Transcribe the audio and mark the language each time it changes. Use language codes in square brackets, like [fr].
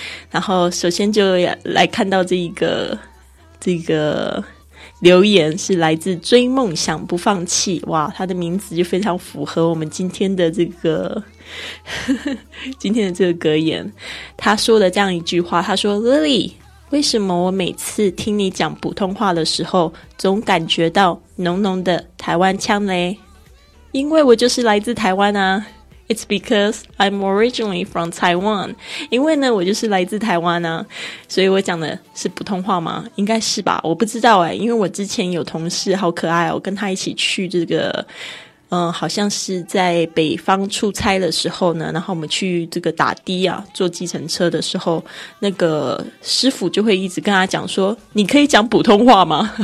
[zh] 然后首先就来看到这个留言是来自追梦想不放弃，哇，他的名字就非常符合我们今天的这个格言。他说了这样一句话，他说 Lily, 为什么我每次听你讲普通话的时候总感觉到浓浓的台湾腔嘞？因为我就是来自台湾啊。 [en] It's because I'm originally from Taiwan. [zh] 因为呢，我就是来自台湾啊，所以我讲的是普通话吗？应该是吧，我不知道欸，因为我之前有同事，好可爱哦，跟他一起去这个，好像是在北方出差的时候呢，然后我们去这个打的啊，坐计程车的时候，那个师傅就会一直跟他讲说，你可以讲普通话吗？